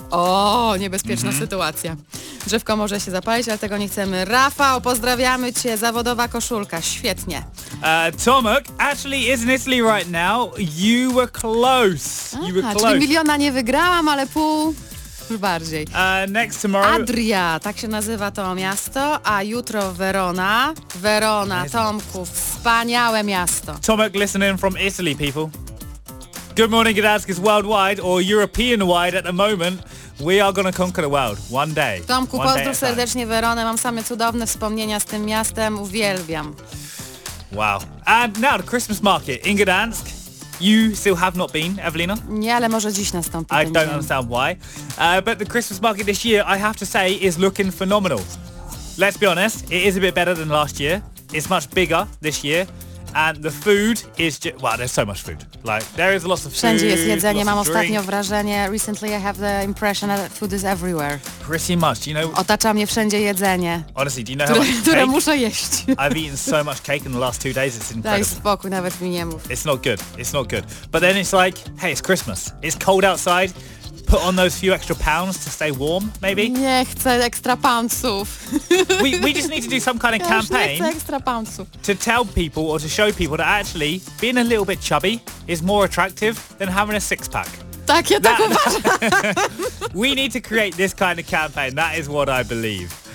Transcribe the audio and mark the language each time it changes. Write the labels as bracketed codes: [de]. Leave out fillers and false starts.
[pl] O, niebezpieczna sytuacja. Drzewko może się zapalić, ale tego nie chcemy. Rafał, pozdrawiamy cię. Zawodowa koszulka. Świetnie. [en] Tomek actually is in Italy right now. You were close. You were close. [pl] Czyli miliona nie wygrałam, ale pół... bardziej. [en] Next tomorrow. [pl] Adria, tak się nazywa to miasto, a jutro Verona. Verona, Tomku, wspaniałe miasto. [en] Tomek listening from Italy, people. Good morning, Gdańsk is worldwide or European wide at the moment. We are gonna conquer the world one day. [pl] Tomku, pozdrów serdecznie Veronę. Mam same cudowne wspomnienia z tym miastem. Uwielbiam. [en] Wow. And now the Christmas market in Gdańsk. You still have not been, Evelina? [pl] Nie, ale może dziś nastąpi. [en] I don't understand why. But the Christmas market this year, I have to say, is looking phenomenal. Let's be honest, it is a bit better than last year. It's much bigger this year. And the food is just... Wow, there's so much food. Like, there is lots of food. [pl] Wszędzie jest jedzenie, mam ostatnio wrażenie. [en] Recently I have the impression that food is everywhere. Pretty much, you know... [pl] Otacza mnie wszędzie jedzenie. [en] Honestly, do you know how much [pl] które muszę jeść. [en] I've eaten so much cake in the last 2 days, it's incredible. Daj spokój, nawet mi nie mów. It's not good, it's not good. But then it's like, hey, it's Christmas. It's cold outside. Put on those few extra pounds to stay warm, maybe? [pl] Nie chcę extra poundsów. [en] We just need to do some kind of campaign [pl] extra poundsów. [en] To tell people or to show people that actually being a little bit chubby is more attractive than having a six-pack. [pl] Tak, ja tak uważam. [en] We need to create this kind of campaign. That is what I believe.